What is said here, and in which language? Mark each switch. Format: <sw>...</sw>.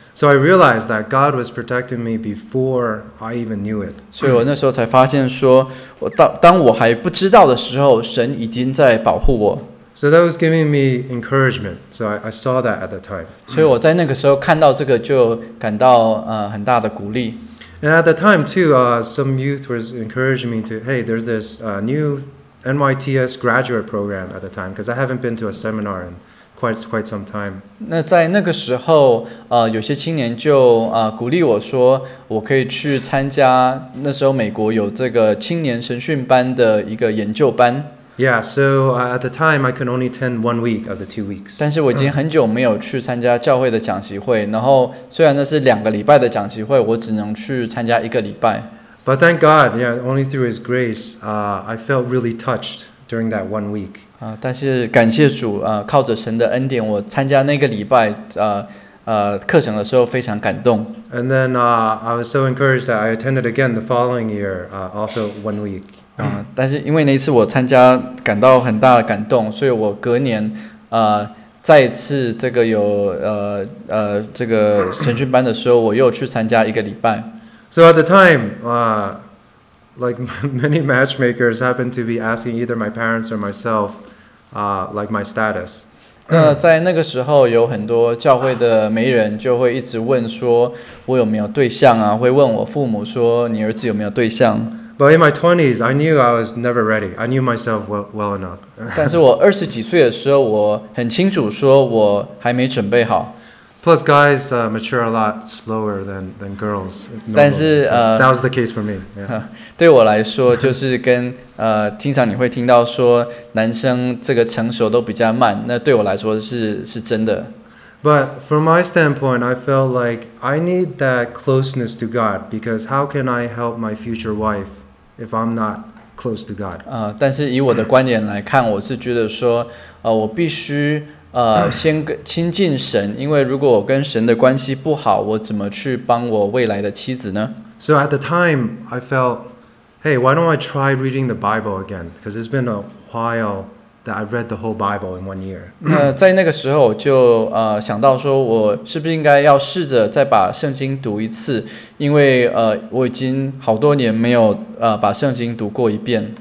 <en>So I realized that God was protecting me before I even knew it.</en> <zh>所以我那时候才发现说，说我当我还不知道的时候，神已经在保护我。</zh> <en>So that was giving me encouragement. So I saw that at the time.</en> <zh>所以我在那个时候看到这个就感到很大的鼓励。</zh> <en>And at the time too, some youth was encouraging me to, hey, there's this new NYTS graduate program at the time, because I haven't been to a seminar in quite some time.</en> <zh>那在那个时候，有些青年就鼓励我说，我可以去参加那时候美国有这个青年神训班的一个研究班。</zh> <en>Yeah, so at the time I could only attend 1 week of the 2 weeks.</en> <zh>但是我已经很久没有去参加教会的讲习会，然后虽然那是两个礼拜的讲习会，我只能去参加一个礼拜。</zh> <en>But thank God, yeah, only through His grace, I felt really touched during that 1 week.</en> <zh>但是感谢主，靠着神的恩典，我参加那个礼拜，课程的时候非常感动。</zh> <en>And then I was so encouraged that I attended again the following year, also 1 week.</en> <zh>但是因为那次我参加感到很大的感动，所以我隔年再次这个有这个神训班的时候，我又去参加一个礼拜。</zh> <en>So at the time, like many matchmakers happened to be asking either my parents or myself, like my status.</en> <zh>那在那个时候，有很多教会的媒人就会一直问说，我有没有对象啊？会问我父母说，你儿子有没有对象？</zh> <en>But in my 20s, I knew I was never ready. I knew myself well enough.</en> <zh>但是我二十几岁的时候，我很清楚说我还没准备好。</zh> <en>Plus, guys mature a lot slower than girls.</en> <zh>但是</zh> <en>that was the case for me. Yeah.</en> <zh>对我来说，就是跟经常你会听到说男生这个成熟都比较慢。那对我来说是真的。</zh> <en>But from my standpoint, I felt like I need that closeness to God because how can I help my future wife if I'm not close to God?</en> <zh>但是以我的观点来看，我是觉得说，我必须先亲近神，因为如果我跟神的关系不好，我怎么去帮我未来的妻子呢？</zh> <en>So at the time, I felt, hey, why don't I try reading the Bible again? Because it's been a while. That I read the whole Bible in 1 year.</en> <zh>在那个时候就想到说，我是不是应该要试着再把圣经读一次？因为我已经好多年没有把圣经读过一遍。</zh>